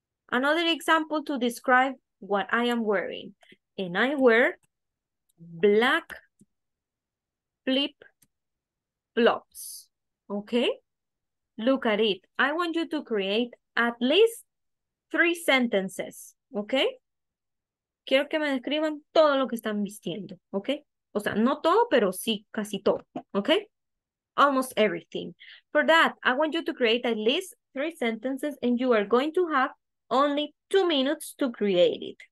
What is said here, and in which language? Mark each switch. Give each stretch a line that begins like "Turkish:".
English: Another example to describe what I am wearing. And I wear black flip-flops. Okay? Look at it. I want you to create at least three sentences, okay?
Spanish: Quiero que me describan todo lo que están vistiendo, okay? O sea, no todo, pero sí casi todo, okay?
English: Almost everything. For that, I want you to create at least three sentences and you are going to have only 2 minutes to create it.